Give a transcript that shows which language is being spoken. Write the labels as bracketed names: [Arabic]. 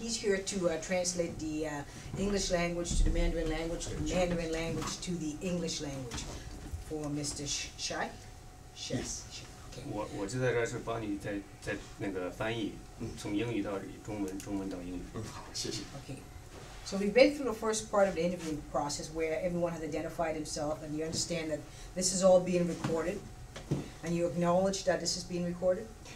[English] He's here to translate the English language to the Mandarin language, the Mandarin language to the English language. For Mr. Shai? Yes. Okay. [Chinese] 我就在这儿帮你在那个翻译，从英语到中文，中文到英语。 [English] Okay. So we've been through the first part of the interview process where everyone has identified himself, and you understand that this is all being recorded, and you acknowledge that this is being recorded?